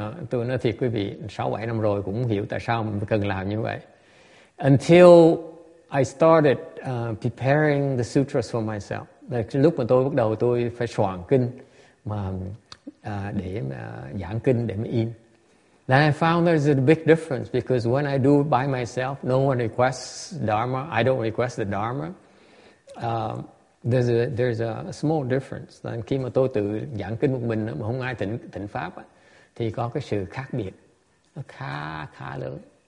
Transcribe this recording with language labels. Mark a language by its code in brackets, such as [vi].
[vi] Tôi nói thiệt quý vị, 6-7 năm rồi cũng không hiểu tại sao mới cần làm như vậy. [en] Until I started preparing the sutras for myself. [vi] Like, lúc mà tôi bắt đầu tôi phải soạn kinh mà để giảng kinh để mới in. [en] Then I found there's a big difference because when I do by myself, no one requests Dharma. I don't request the Dharma. There's a small difference. [vi] Then khi mà tôi tự giảng kinh một mình mà không ai thỉnh pháp thì có cái sự khác biệt nó khá lớn.